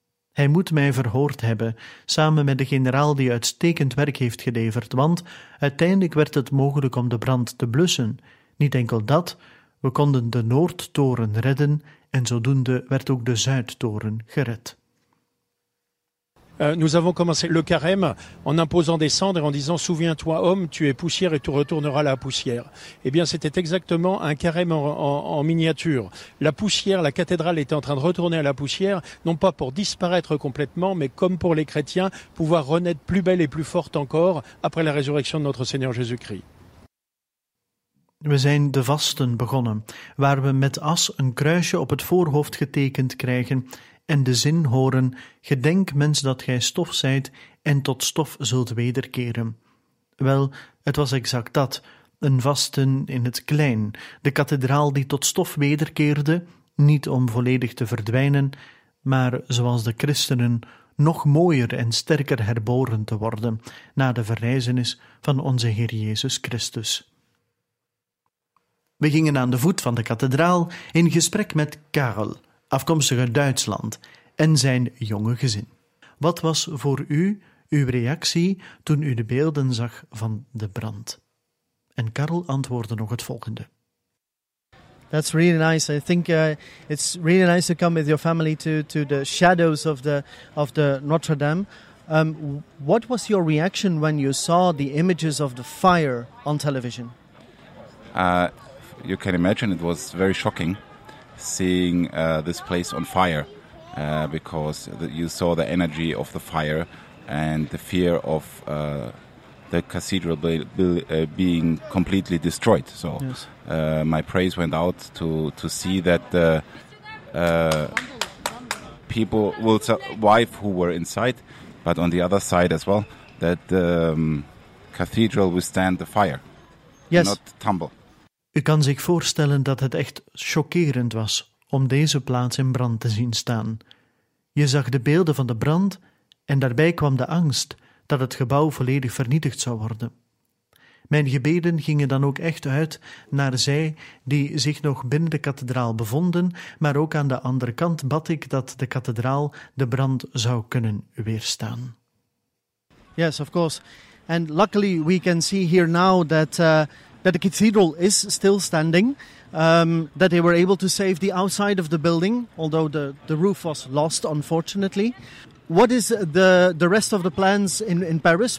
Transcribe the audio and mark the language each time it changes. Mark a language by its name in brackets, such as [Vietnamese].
[Dutch] Hij moet mij verhoord hebben, samen met de generaal die uitstekend werk heeft geleverd, want uiteindelijk werd het mogelijk om de brand te blussen. Niet enkel dat, we konden de Noordtoren redden en zodoende werd ook de Zuidtoren gered. [French] Nous avons commencé le carême en imposant des cendres et en disant « Souviens-toi, homme, tu es poussière et tu retourneras la poussière ». Eh bien, c'était exactement un carême en miniature. La poussière, la cathédrale était en train de retourner à la poussière, non pas pour disparaître complètement, mais comme pour les chrétiens, pouvoir renaître plus belle et plus forte encore après la résurrection de notre Seigneur Jésus-Christ. [Dutch] We zijn de vasten begonnen, waar we met as een kruisje op het voorhoofd getekend krijgen en de zin horen, gedenk mens dat gij stof zijt en tot stof zult wederkeren. Wel, het was exact dat, een vasten in het klein, de kathedraal die tot stof wederkeerde, niet om volledig te verdwijnen, maar zoals de christenen, nog mooier en sterker herboren te worden, na de verrijzenis van onze Heer Jezus Christus. We gingen aan de voet van de kathedraal in gesprek met Karel, afkomstig uit Duitsland, en zijn jonge gezin. Wat was voor u uw reactie toen u de beelden zag van de brand? En Karel antwoordde nog het volgende. [English] That's really nice. I think it's really nice to come with your family to the shadows of the Notre Dame. What was your reaction when you saw the images of the fire on television? You can imagine it was very shocking. seeing this place on fire because you saw the energy of the fire and the fear of the cathedral being completely destroyed. So yes. My praise went out to see that the people, well, so wife who were inside, but on the other side as well, that the cathedral withstand the fire, yes. Not tumble. [Dutch] U kan zich voorstellen dat het echt chockerend was om deze plaats in brand te zien staan. Je zag de beelden van de brand en daarbij kwam de angst dat het gebouw volledig vernietigd zou worden. Mijn gebeden gingen dan ook echt uit naar zij die zich nog binnen de kathedraal bevonden, maar ook aan de andere kant bad ik dat de kathedraal de brand zou kunnen weerstaan. [English] Yes, of course. And luckily we can see here now that that the cathedral is still standing, that they were able to save the outside of the building, although the roof was lost, unfortunately. What is the rest of the plans in Paris?